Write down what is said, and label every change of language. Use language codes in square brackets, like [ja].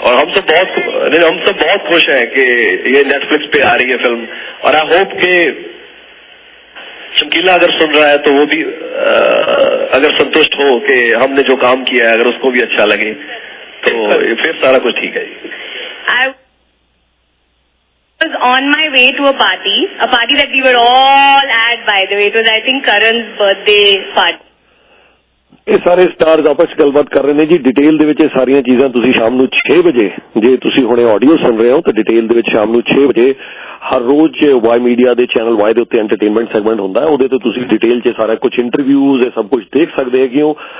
[hi] और हम सब बहुत खुश हैं कि ये नेटफ्लिक्स पे आ रही है फिल्म, और [en] I hope [hi] कि चमकीला अगर सुन रहा है तो वो भी अगर संतुष्ट हो कि हमने जो काम किया है, अगर उसको भी अच्छा लगे तो फिर सारा कुछ ठीक है। [en] I was on my way to a party that we were all at, by the way. It was, I think, Karan's birthday party. [pa] ਇਹ ਸਾਰੇ ਸਟਾਰਸ ਆਪਸ ਗੱਲਬਾਤ ਕਰ ਰਹੇ ਨੇ ਜੀ ਡਿਟੇਲ ਦੇ ਵਿੱਚ, ਇਹ ਸਾਰੀਆਂ ਚੀਜ਼ਾਂ ਤੁਸੀਂ ਸ਼ਾਮ ਨੂੰ 6 ਵਜੇ ਜੇ ਤੁਸੀਂ ਹੁਣੇ ਆਡੀਓ ਸੁਣ ਰਹੇ ਹੋ ਤਾਂ ਡਿਟੇਲ ਦੇ ਵਿੱਚ ਸ਼ਾਮ ਨੂੰ 6 ਵਜੇ ਹਰ ਰੋਜ਼ ਵਾਈ ਮੀਡੀਆ ਦੇ ਚੈਨਲ ਵਾਈ ਦੇ ਉੱਤੇ ਐਂਟਰਟੇਨਮੈਂਟ ਸੈਗਮੈਂਟ ਹੁੰਦਾ, ਉਹਦੇ ਤੇ ਤੁਸੀਂ ਡਿਟੇਲ 'ਚ ਸਾਰਾ ਕੁਝ ਇੰਟਰਵਿਊਜ਼ ਇਹ ਸਭ ਕੁਝ ਦੇਖ ਸਕਦੇ ਹੈਗੇ ਹੋ।